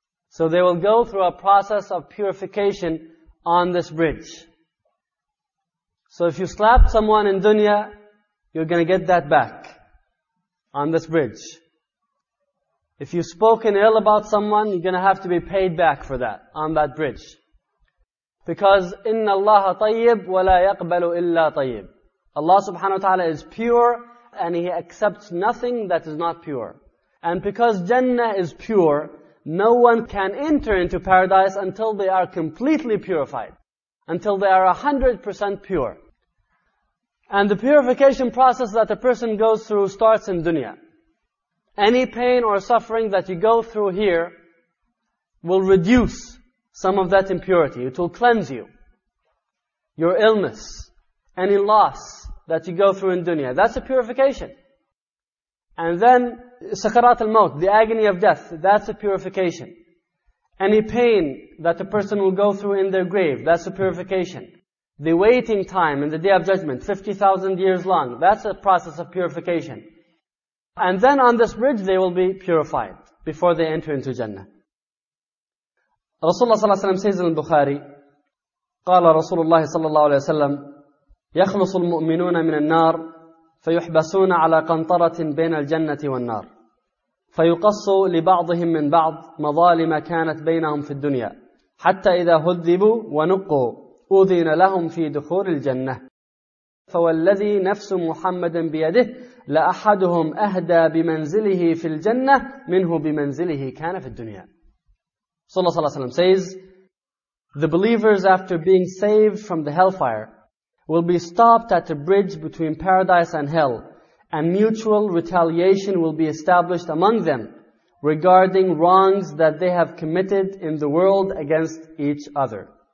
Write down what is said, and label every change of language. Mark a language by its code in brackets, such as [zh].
[en] So they will go through a process of purification on this bridge. So if you slap someone in dunya, you're going to get that back on this bridge. If you've spoken ill about someone, you're going to have to be paid back for that on that bridge. [ar] Because إِنَّ اللَّهَ طَيِّبُ وَلَا يَقْبَلُ إِلَّا طَيِّبُ. [en] Allah subhanahu wa ta'ala is pure and He accepts nothing that is not pure. And because Jannah is pure, no one can enter into paradise until they are completely purified. Until they are 100% pure. And the purification process that a person goes through starts in dunya. Any pain or suffering that you go through here will reduce some of that impurity. It will cleanse you. Your illness, any loss that you go through in dunya, that's a purification. And then sakarat al-maut, the agony of death, that's a purification. Any pain that a person will go through in their grave, that's a purification. The waiting time in the Day of Judgment, 50,000 years long, that's a process of purification. And then on this bridge, they will be purified before they enter into Jannah. Rasulullah sallallahu alayhi wa sallam says in al-Bukhari, [ar] قال رسول الله صلى الله عليه وسلم يخلص المؤمنون من النار فيحبسون على قنطرة بين الجنة والنار فيقص لبعضهم من بعض مظالم كانت بينهم في الدنيا حتى إذا هذبوا ونقوا أذن لهم في دخول الجنة فوالذي نفس محمد بيده لأحدهم أهدى بمنزله في الجنة منه بمنزله كان في الدنيا. صلى الله عليه وسلم [en] says, the believers after being saved from the hellfire will be stopped at a bridge between paradise and hell, and mutual retaliation will be established among them regarding wrongs that they have committed in the world against each other.